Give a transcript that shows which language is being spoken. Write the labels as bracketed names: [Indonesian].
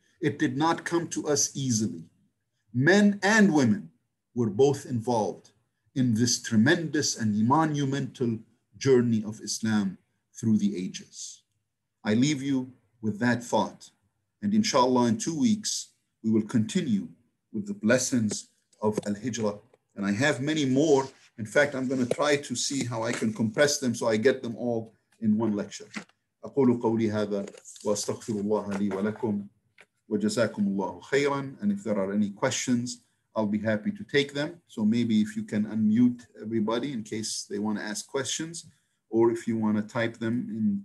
[English] It did not come to us easily. Men and women were both involved in this tremendous and monumental journey of Islam through the ages. I leave you with that thought. And inshallah, in 2 weeks, we will continue with the lessons of Al-Hijrah. And I have many more. In fact, I'm going to try to see how I can compress them so I get them all in one lecture. [Arabic] أقول قولي هذا وأستغفر الله لي ولكم وجزاكم الله خيرا. [English] And if there are any questions, I'll be happy to take them. So maybe if you can unmute everybody in case they want to ask questions, or if you want to type them in.